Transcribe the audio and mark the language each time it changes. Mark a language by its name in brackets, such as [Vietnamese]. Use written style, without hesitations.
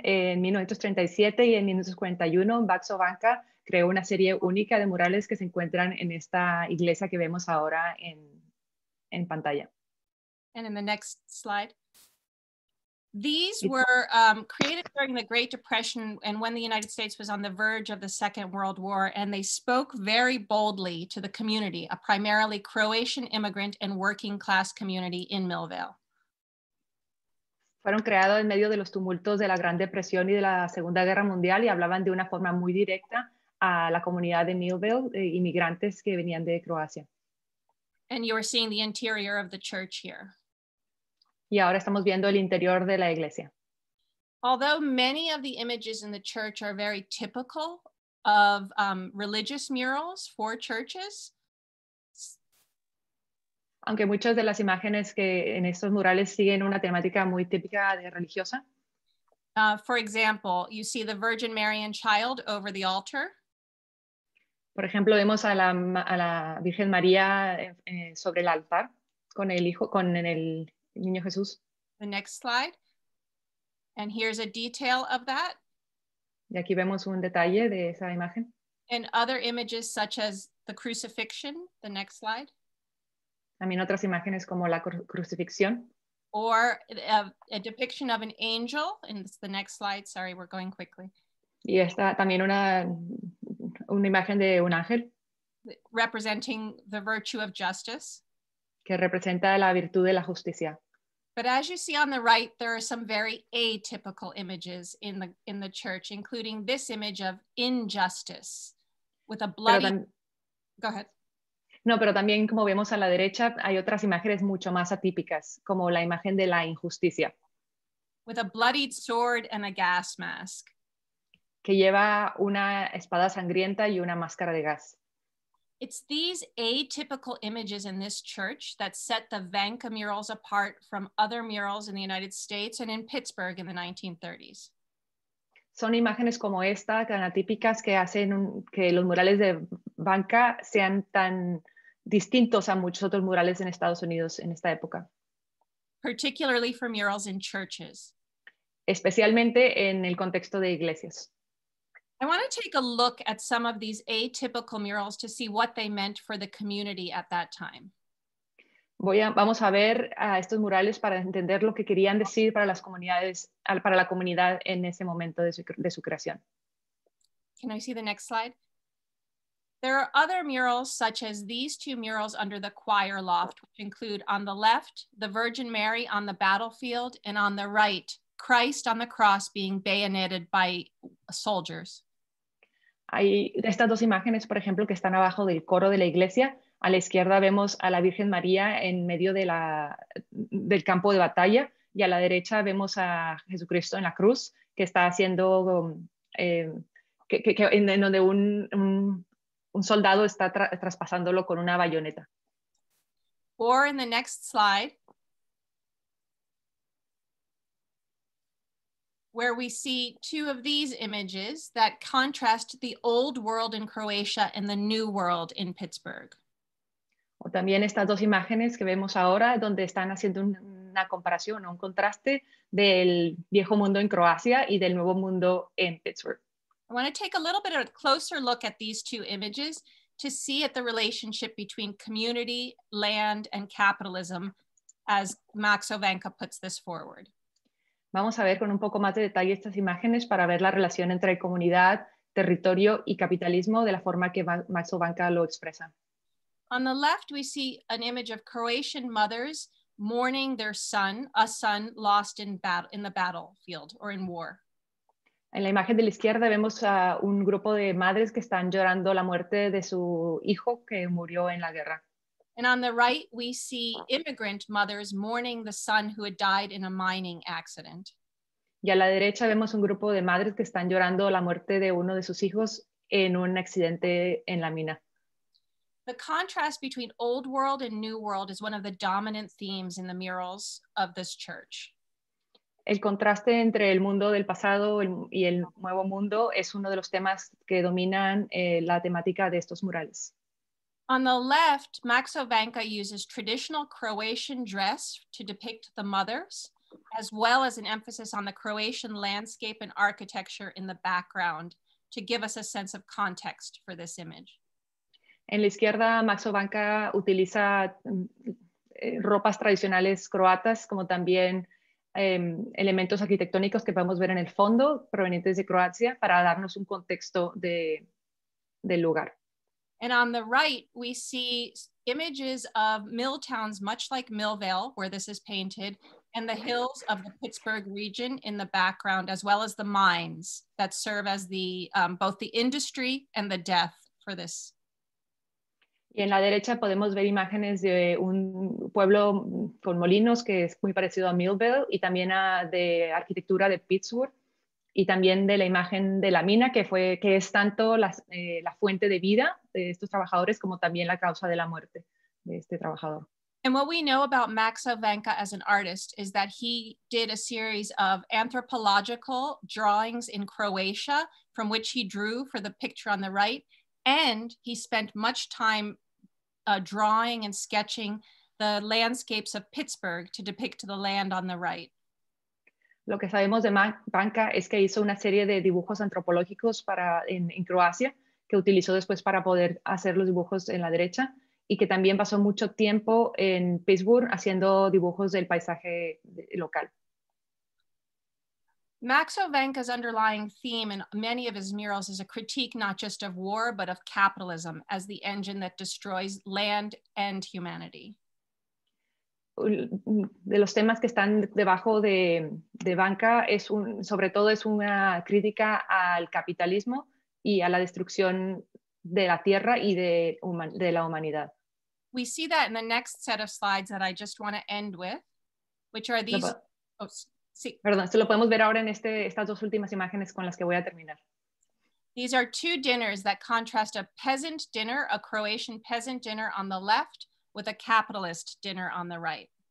[Spanish] En 1937 y en 1941, Maxo Vanka creó una serie única de murales que se encuentran en esta iglesia que vemos ahora en pantalla. [English] And in the next slide. These were created during the Great Depression and when the United States was on the verge of the Second World War, and they spoke very boldly to the community, a primarily Croatian immigrant and working class community in Millvale. [Spanish] Fueron creados en medio de los tumultos de la Gran Depresión y de la Segunda Guerra Mundial y hablaban de una forma muy directa a la comunidad de Millvale, inmigrantes que venían de Croacia. [English] And you're seeing the interior of the church here. [Spanish] Y ahora estamos viendo el interior de la iglesia. [English] Although many of the images in the church are very typical of religious murals for churches, [Spanish] aunque muchas de las imágenes que en estos murales siguen una temática muy típica de religiosa. [English] For example, you see the Virgin Mary and child over the altar. [Spanish] Por ejemplo, vemos a la Virgen María sobre el altar con el hijo, con el niño Jesús. [English] The next slide. And here's a detail of that. [Spanish] Y aquí vemos un detalle de esa imagen. [English] And other images such as the crucifixion. The next slide. [Spanish] También otras imágenes como la crucifixión. [English] Or a depiction of an angel. And it's the next slide. Sorry, we're going quickly. [Spanish] Y esta también una imagen de un ángel. [English] Representing the virtue of justice. [Spanish] Que representa la virtud de la justicia. [English] But as you see on the right, there are some very atypical images in the church, including this image of injustice with a bloody... Go ahead. [Spanish] No, pero también como vemos a la derecha, hay otras imágenes mucho más atípicas, como la imagen de la injusticia. [English] With a bloodied sword and a gas mask. [Spanish] Que lleva una espada sangrienta y una máscara de gas. [English] It's these atypical images in this church that set the Vanka murals apart from other murals in the United States and in Pittsburgh in the 1930s. [Spanish] Son imágenes como esta, tan atípicas, que hacen que los murales de Vanka sean tan distintos a muchos otros murales en Estados Unidos en esta época. [English] Particularly for murals in churches. [Spanish] Especialmente en el contexto de iglesias. [English] I want to take a look at some of these atypical murals to see what they meant for the community at that time. [Spanish] Vamos a ver a estos murales para entender lo que querían decir para las comunidades, para la comunidad en ese momento de su creación. [English] Can I see the next slide? There are other murals such as these two murals under the choir loft, which include on the left, the Virgin Mary on the battlefield, and on the right, Christ on the cross being bayoneted by soldiers. [Spanish] Hay estas dos imágenes, por ejemplo, que están abajo del coro de la iglesia. A la izquierda vemos a la Virgen María en medio de la, del campo de batalla, y a la derecha vemos a Jesucristo en la cruz, que está haciendo, en donde un soldado está traspasándolo con una bayoneta. [English] Or in the next slide, where we see two of these images that contrast the old world in Croatia and the new world in Pittsburgh. [Spanish] O también estas dos imágenes que vemos ahora, donde están haciendo una comparación o un contraste del viejo mundo en Croacia y del nuevo mundo en Pittsburgh. [English] I want to take a little bit of a closer look at these two images to see at the relationship between community, land, and capitalism, as Max Ovanka puts this forward. [Spanish] Vamos a ver con un poco más de detalle estas imágenes para ver la relación entre comunidad, territorio y capitalismo de la forma que Max Ovanka lo expresa. [English] On the left, we see an image of Croatian mothers mourning their son, a son lost in the battlefield or in war. [Spanish] En la imagen de la izquierda vemos a un grupo de madres que están llorando la muerte de su hijo que murió en la guerra. [English] And on the right, we see immigrant mothers mourning the son who had died in a mining accident. [Spanish] Y a la derecha vemos un grupo de madres que están llorando la muerte de uno de sus hijos en un accidente en la mina. [English] The contrast between old world and new world is one of the dominant themes in the murals of this church. [Spanish] El contraste entre el mundo del pasado y el nuevo mundo es uno de los temas que dominan la temática de estos murales. [English] On the left, Max Ovanka uses traditional Croatian dress to depict the mothers, as well as an emphasis on the Croatian landscape and architecture in the background to give us a sense of context for this image. [Spanish] En la izquierda, Max Ovanka utiliza ropas tradicionales croatas, como también elementos arquitectónicos que podemos ver en el fondo, provenientes de Croacia, para darnos un contexto del lugar. [English] And on the right, we see images of mill towns, much like Millvale, where this is painted, and the hills of the Pittsburgh region in the background, as well as the mines that serve as the both the industry and the death for this. [Spanish] Y en la derecha podemos ver imágenes de un pueblo con molinos que es muy parecido a Millvale, y también a de arquitectura de Pittsburgh. Y también de la imagen de la mina, que es tanto la fuente de vida de estos trabajadores como también la causa de la muerte de este trabajador. [English] And what we know about Max Ovanka as an artist is that he did a series of anthropological drawings in Croatia from which he drew for the picture on the right, and he spent much time drawing and sketching the landscapes of Pittsburgh to depict the land on the right. [Spanish] Lo que sabemos de Banca es que hizo una serie de dibujos antropológicos para en Croacia, que utilizó después para poder hacer los dibujos en la derecha, y que también pasó mucho tiempo en Pittsburgh haciendo dibujos del paisaje local. [English] Max Ovanka's underlying theme in many of his murals is a critique not just of war, but of capitalism as the engine that destroys land and humanity. [Spanish] De los temas que están debajo de Banca es un, sobre todo es una crítica al capitalismo y a la destrucción de la tierra y de la humanidad. [English] We see that in the next set of slides that I just want to end with, which are these. [Spanish] Perdón, esto lo podemos ver ahora en estas dos últimas imágenes con las que voy a terminar. [English] These are two dinners that contrast a peasant dinner, a Croatian peasant dinner on the left, with a capitalist dinner on the right.